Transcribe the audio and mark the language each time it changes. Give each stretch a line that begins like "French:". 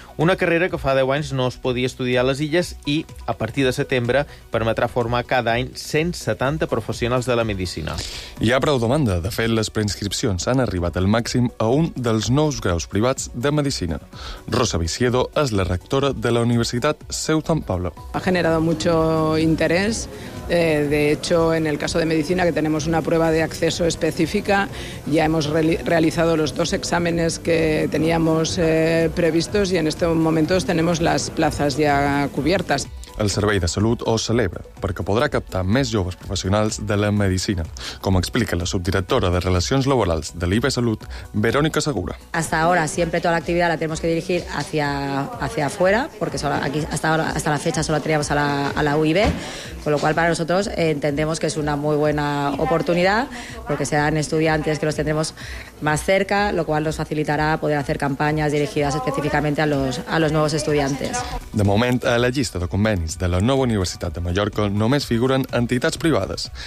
Catalan: Una carrera que fa 10 anys no es podia estudiar a les illes i, a partir de setembre, permetrà formar cada any 170 professionals de la medicina. Hi ha prou demanda. De fet, les preinscripcions han arribat al màxim a un dels nous graus privats de medicina. Rosa Viciedo és la rectora de la Universitat Seu de Sant Pablo.
Spanish: Ha generado mucho interés. De hecho, en el caso de medicina, que tenemos una prueba de acceso específica, ya hemos realizado los dos exámenes que teníamos previstos y en estos momentos tenemos las plazas ya cubiertas.
Catalan: El Servei de Salut ho celebra perquè podrà captar més joves professionals de la medicina, com explica la subdirectora de Relacions Laborals de l'IB Salut, Verónica Segura.
Spanish: Hasta ahora siempre toda la actividad la tenemos que dirigir hacia afuera, porque solo aquí hasta la fecha solo teníamos a la UIB, con lo cual para nosotros entendemos que es una muy buena oportunidad, porque serán estudiantes que los tendremos más cerca, lo cual nos facilitará poder hacer campañas dirigidas específicamente a los nuevos estudiantes.
Catalan: De moment, a la llista de convenis de la nova Universitat de Mallorca només figuren entitats privades.